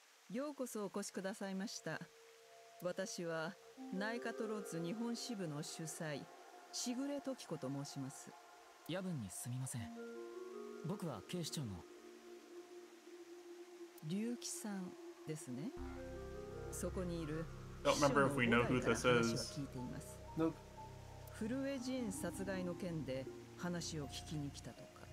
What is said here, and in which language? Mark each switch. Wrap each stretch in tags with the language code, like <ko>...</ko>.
<ja>ようこそお越しくださいました。私はナイカトロッズ日本支部の主催。しぐれトキコと申します。夜分にすみません。僕は警視庁の龍騎さんですね。そこにいる</ja> <en>don't remember if we know who this is. Nope.</en> <ja>フルエジン殺害の件で話を聞きに来たとか。</ja>